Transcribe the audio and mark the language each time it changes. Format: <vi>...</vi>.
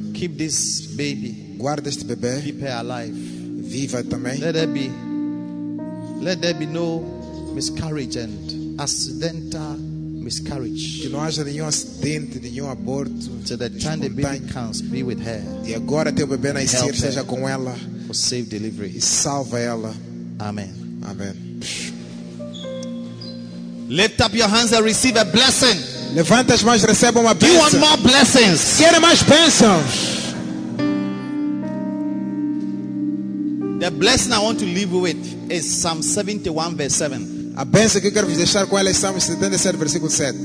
<en>Keep this baby.</en> <pt>Guarda este bebê.</pt> <en>Keep her alive.</en> <pt>Viva também.</pt> <en>Let there be no miscarriage and accidental miscarriage.</en> <pt>Que não haja nenhum acidente, nenhum aborto.</pt> <en>So that time the baby comes, be with her.</en> <pt>E agora teu bebê nascer, seja com ela.</pt> <en>For safe delivery.</en> <pt>E salva ela.</pt> <en>Amen.</en> <pt>Amen.</pt> <en>Lift up your hands and receive a blessing.</en> <pt>Levanta as mãos e receba uma bênção.</pt> <en>You want more blessings?</en> <pt>Quer mais bênçãos?</pt> <en>The blessing I want to leave with is Psalm 71 verse 7.</en> <pt>A bênção que eu quero deixar com ela é Psalm 77 versículo 7.</pt>